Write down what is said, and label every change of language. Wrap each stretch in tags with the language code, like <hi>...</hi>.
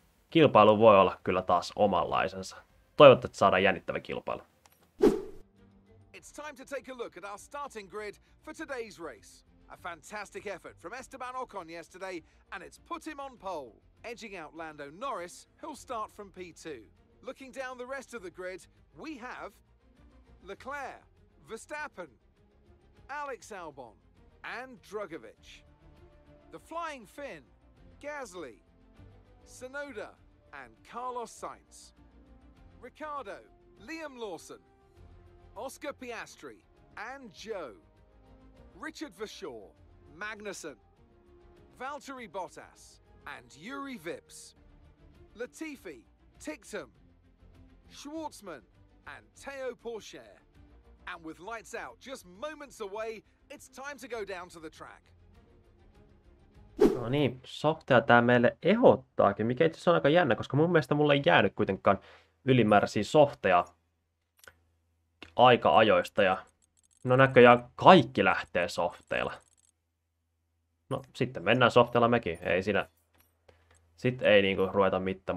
<fi>Kilpailu voi olla kyllä taas omanlaisensa. Toivottavasti, että saadaan jännittävä kilpailu.</fi> <en>It's time to take a look at our starting grid for today's race. A fantastic effort from Esteban Ocon yesterday, and it's put him on pole. Edging out Lando Norris, who'll start from P2. Looking down the rest of the grid, we have Leclerc, Verstappen, Alex Albon, and Drugovic. The Flying Finn, Gasly, Tsunoda, and Carlos Sainz. Ricardo, Liam Lawson, Oscar Piastri, and Joe, Richard Vershaw, Magnussen, Valtteri Bottas, and Yuri Vips, Latifi, Tictum, Schwartzman, and Theo Pourchaer. And with lights out just moments away, it's time to go down to the track.</en> <fi>No niin, softea tää meille ehdottaakin, mikä itse asiassa on aika jännä, koska mun mielestä mulla ei jäänyt kuitenkaan ylimääräisiä softeja aika ajoista ja no näköjään kaikki lähtee softeilla. No sitten mennään softeilla mekin, ei siinä, sit ei niinku ruveta mitään.</fi>